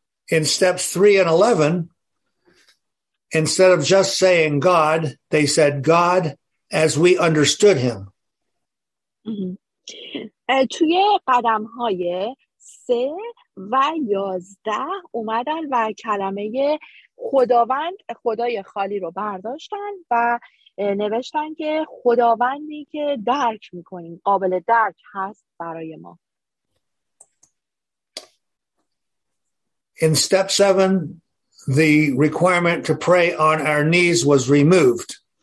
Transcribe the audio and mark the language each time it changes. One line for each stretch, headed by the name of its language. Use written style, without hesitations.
English: In steps 3 and 11, instead of just saying God, they said God as we understood him.
Persian: توی قدم های 3 و 11 اومدن و کلمه خداوند خدای خالی رو برداشتن و نوشتن که خداوندی که درک میکنیم قابل درک هست برای ما.
English: In step 7, the requirement to pray on our knees was removed.